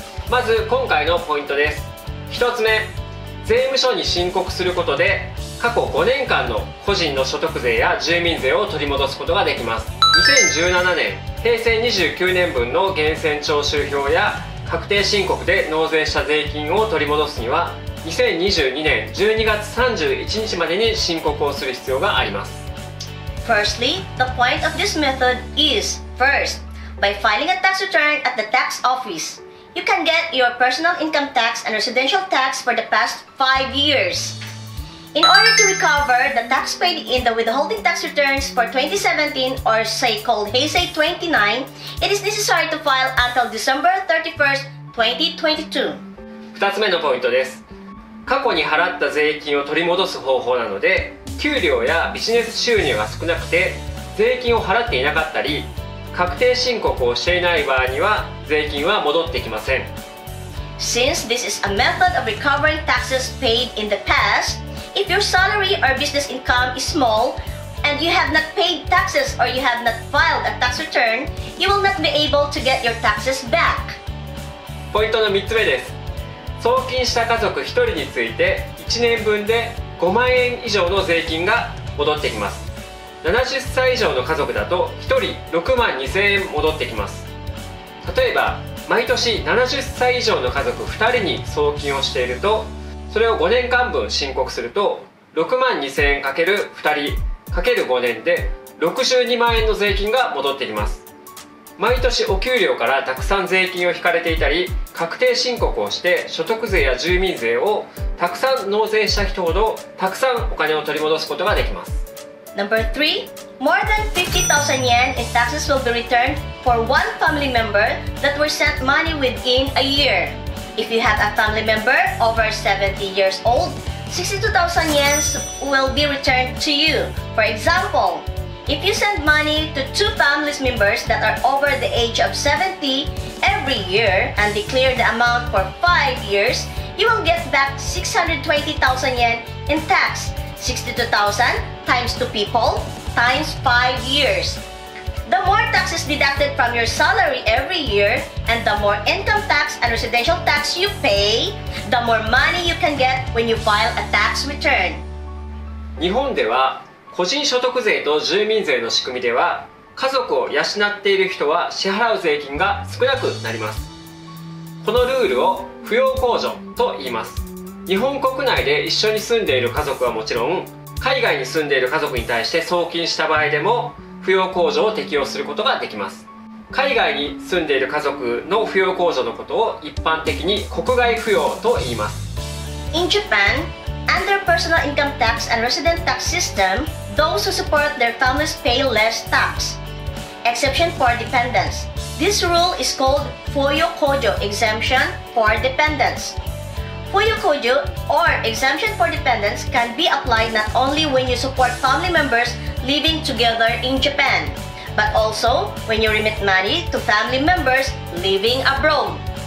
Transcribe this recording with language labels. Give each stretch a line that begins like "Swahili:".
Japanese: まず今回のポイントです。一つ目、税務署に申告することで過去5年間の個人の所得税や住民税を取り戻すことができます。 2017年平成29年分の源泉徴収票や確定申告で納税した税金を取り戻すには2022年12月31日までに申告をする必要があります。
English: Firstly, the point of this method is First, by filing a tax return at the tax office, you can get your personal income tax and residential tax for the past 5 years. In order to recover the tax paid in the withholding tax returns for 2017 or say called Heisei 29, it is necessary to file until December 31st, 2022.
Japanese: 2つ目のポイントです。過去に払った税金を取り戻す方法なので、給料やビジネス収入が少なくて税金を払っていなかったり、確定申告をしていない場合には税金は戻ってきません。
English: Since this is a method of recovering taxes paid in the past, if your salary or business income is small and you have not paid taxes or you have not filed a tax return, you will not be able to get your taxes back.
Japanese: ポイントの3つ目です。送金した家族1人について1年分で5万円以上の税金が戻ってきます。 70歳以上の家族だと1人6万2000円戻ってきます。例えば毎年70歳以上の家族2人に送金をしていると、それを5年間分申告すると6万2000円 ×2 人 ×5 年で62万円の税金が戻ってきます。毎年お給料からたくさん税金を引かれていたり、確定申告をして所得税や住民税をたくさん納税した人ほどたくさんお金を取り戻すことができます。
English: Number 3, more than 50,000 yen in taxes will be returned for one family member that were sent money within a year. If you have a family member over 70 years old, 62,000 yen will be returned to you. For example, if you send money to two family members that are over the age of 70 every year and declare the amount for 5 years, you will get back 620,000 yen in tax. 62,000 times 2 people times 5 years. The more taxes deducted from your salary every year and the more income tax and residential tax you pay, the more money you can get when you file a tax return.
Japanese: 日本では個人所得税と住民税の仕組みでは家族を養っている人は支払う税金が少なくなります。このルールを扶養控除と言います。日本国内で一緒に住んでいる家族はもちろん、海外に住んでいる家族に対して送金した場合でも扶養控除を適用することができます。海外に住んでいる家族の扶養控除のことを一般的に国外扶養と言います。
English: In Japan, under personal income tax and resident tax system, those who support their families pay less tax, exception for dependents. This rule is called 扶養控除 exemption for dependents. Fuyo Kojo or exemption for dependents can be applied not only when you support family members living together in Japan, but also when you remit money to family members living abroad.